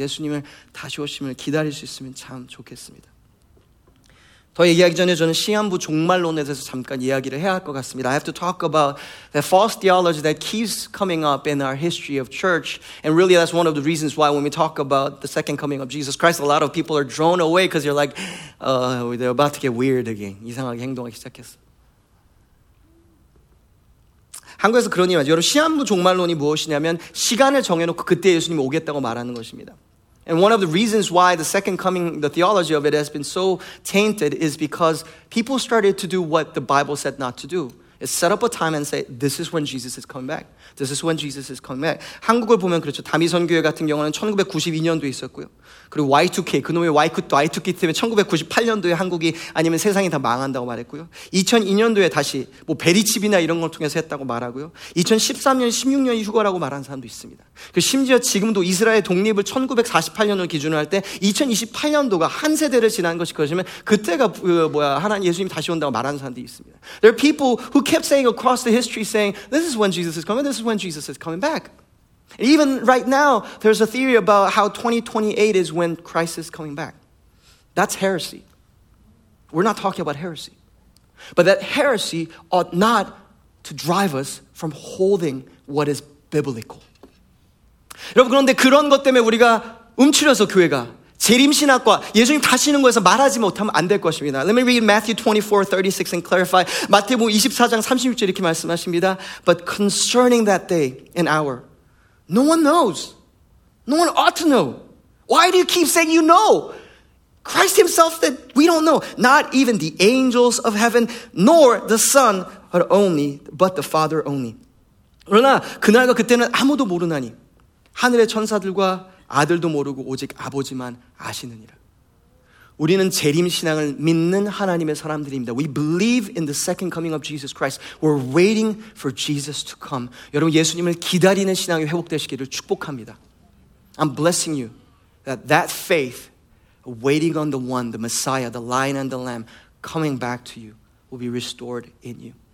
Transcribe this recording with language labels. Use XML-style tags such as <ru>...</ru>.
<ko>예수님을 다시 오심을 기다릴 수 있으면 참 좋겠습니다. 더 얘기하기 전에 저는 시한부 종말론에 대해서 잠깐 이야기를 해야 할 것 같습니다.</ko> <en>I have to talk about the false theology that keeps coming up in our history of church. And really, that's one of the reasons why when we talk about the second coming of Jesus Christ, a lot of people are drawn away because they're like, they're about to get weird again.</en> <ko>이상하게 행동하기 시작했어. 한국에서 그런 일이 많죠. 여러분, 시한부 종말론이 무엇이냐면 시간을 정해놓고 그때 예수님이 오겠다고 말하는 것입니다.</ko> <en>And one of the reasons why the second coming, the theology of it has been so tainted is because people started to do what the Bible said not to do. It set up a time and say, this is when Jesus is coming back. This is when Jesus is coming back.</en> <ko>한국을 보면 그렇죠. 다미선 교회 같은 경우는 1992년도에 있었고요. 그리고 Y2K, 그놈의 Y2K도 Y2K 때문에 1998년도에 한국이 아니면 세상이 다 망한다고 말했고요. 2002년도에 다시 뭐 베리칩이나 이런 걸 통해서 했다고 말하고요. 2013년, 16년이 휴거라고 말한 사람도 있습니다. 그리고 심지어 지금도 이스라엘 독립을 1948년을 기준으로 할 때 2028년도가 한 세대를 지난 것이 그러시면 그때가 하나님 예수님이 다시 온다고 말하는 사람들이 있습니다.</ko> <en>There are people who kept saying across the history saying, this is when Jesus is coming, this is when Jesus is coming back. Even right now, there's a theory about how 2028 is when Christ is coming back. That's heresy. We're not talking about heresy. But that heresy ought not to drive us from holding what is biblical.</en> <ko>여러분, 그런데 그런 것 때문에 우리가 움츠려서 교회가 재림신학과 예수님 다시는 거에서 말하지 못하면 안 될 것입니다.</ko> <en>Let me read Matthew 24, 36 and clarify.</en> <ko>마태복음 24장 36절 이렇게 말씀하십니다.</ko> <en>But concerning that day and hour, no one knows. No one ought to know. Why do you keep saying you know? Christ himself said, we don't know. Not even the angels of heaven, nor the Son, but the Father only.</en> <ko>그러나 그날과 그때는 아무도 모르나니 하늘의 천사들과 아들도 모르고 오직 아버지만 아시느니라. 우리는 재림 신앙을 믿는 하나님의 사람들입니다.</ko> <en>We believe in the second coming of Jesus Christ. We're waiting for Jesus to come.</en> <ko>여러분 예수님을 기다리는 신앙이 회복되시기를 축복합니다.</ko> <en>I'm blessing you that faith, waiting on the one, the Messiah, the Lion and the Lamb, coming back to you, will be restored in you.</en>